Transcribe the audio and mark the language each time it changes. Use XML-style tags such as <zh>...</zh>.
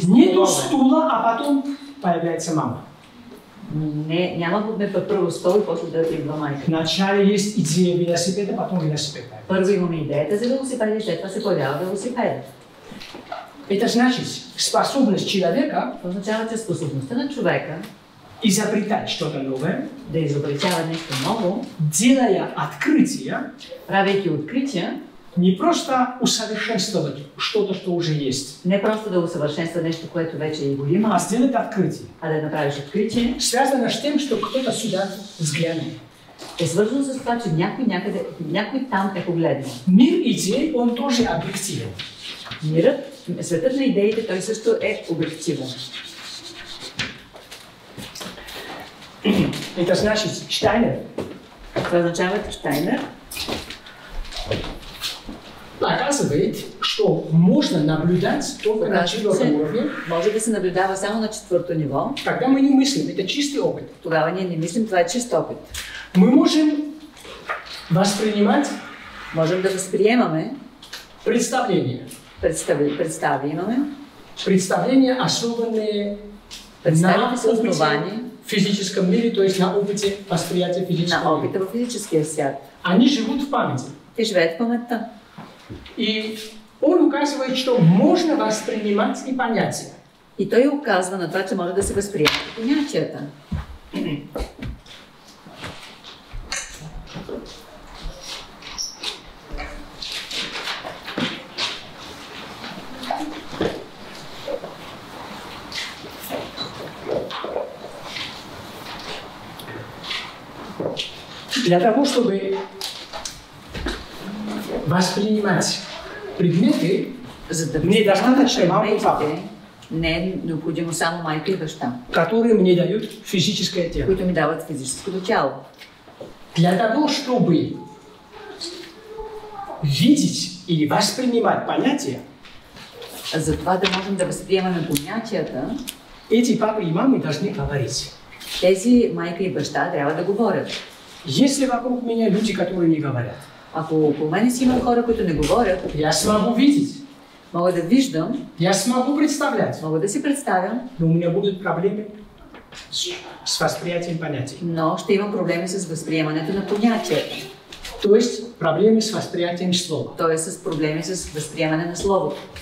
<bg>стулове.</bg> <ru>Нету стула, а потом появляется мама.</ru> <bg>Не, няма да бъдем първо стол и после да идва майка.</bg> <ru>Вначале есть идея велосипеда, потом велосипеда.</ru> <bg>Първо имаме идеята за велосипед, след това се появява велосипед.</bg> <ru>Это значит, способность человека,</ru> <bg>означава, че способността на човека</bg> <ru>изобретать что-то новое,</ru> <bg>да изобретява нещо ново,</bg> <ru>делая открытия,</ru> <bg>правейки открытия,</bg> <ru>не просто усовершенствовать что-то, что уже есть,</ru> <bg>не просто да</bg> <ru>усовершенствовать</ru> <bg>нещо, което вече и го има,</bg> <ru>а сделать открытие,</ru> <bg>а да направиш открытие,</bg> <ru>связано с тем, что кто-то сюда взглянет.</ru> <bg>Е свързано с това, че някой някъде, някой там е погледнал.</bg> <ru>Мир идеи, он тоже объективен.</ru> <bg>Мирът, светът на идеите, той също е обективен.</bg> <ru>Это значит Штайнер.</ru> <bg>Това означава Штайнер.</bg> <ru>Оказывает, что можно наблюдать только на четвертом уровне.</ru> <bg>Може да се наблюдава само на четвърто ниво.</bg> <ru>Тогда мы не мыслим, это чистый опыт.</ru> <bg>Тогава ние не мислим, това е чист опыт.</bg> <ru>Мы можем воспринимать.</ru> <bg>Можем да възприемаме.</bg> <ru>Представление.</ru> <bg>Представи имаме.</bg> <ru>Представление, основанное на опыте в физическом мире, то есть на опыте восприятия физического</ru> <bg>мира. На опыта в физическия свят.</bg> <ru>Они живут в памяти.</ru> <bg>И живеят в памятта.</bg> <ru>И он указывает, что можно воспринимать и понятия.</ru> <bg>И той указва на това, че може да се възприема понятията.</bg> <ru>Для того, чтобы воспринимать предметы, недостаточно мама и папа,</ru> <bg>не е необходимо само майка и баща,</bg> <ru>которые мне дают физическое тело,</ru> <bg>които ми дават физическото тяло.</bg> <ru>Для того, чтобы видеть или воспринимать понятия,</ru> <bg>за това да можем да възприемаме понятията,</bg> <ru>эти папа и мама должны говорить.</ru> <bg>Тези майка и баща трябва да говорят.</bg> <ru>Если вокруг меня люди, которые не говорят.</ru> <bg>Ако по мене си има хора, които не говорят.</bg> <ru>Я смогу видеть.</ru> <bg>Мога да виждам.</bg> <ru>Я смогу представлять.</ru> <bg>Мога да си представям.</bg> <ru>Но у меня будут проблемы с восприятием понятий.</ru> <bg>Но ще имам проблеми с възприемането на понятия.</bg> <ru>То есть проблемы с восприятием слова.</ru> <bg>То есть с проблеми с възприемане на словото.</bg>